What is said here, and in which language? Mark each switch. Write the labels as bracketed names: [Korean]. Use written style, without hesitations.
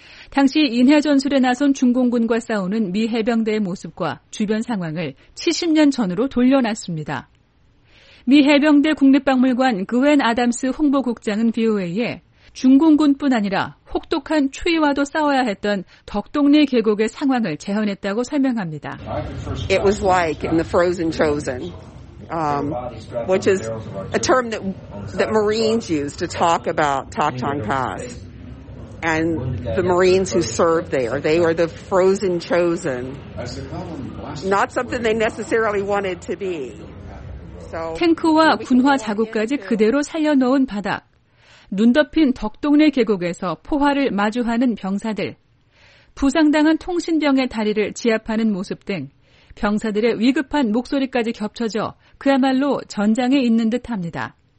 [Korean] 당시 인해 전술에 나선 중공군과 싸우는 미 해병대의 모습과 주변 상황을 70년 전으로 돌려놨습니다. 미 해병대 국립박물관 그웬 아담스 홍보국장은 VOA에 중공군뿐 아니라 혹독한 추위와도 싸워야 했던 덕동리 계곡의 상황을 재현했다고 설명합니다. [English] It was like in the frozen chosen. Which is a term that Marines use to talk about Toktong Pass. And the Marines who served there, they were the frozen chosen. Not something they necessarily wanted to be. [Korean] So, 탱크와 군화 자국까지 그대로 살려놓은 바닥. 눈 덮인 덕동네 계곡에서 포화를 마주하는 병사들. 부상당한 통신병의 다리를 지압하는 모습 등 병사들의 위급한 목소리까지 겹쳐져 그야말로 전장에 있는 듯합니다.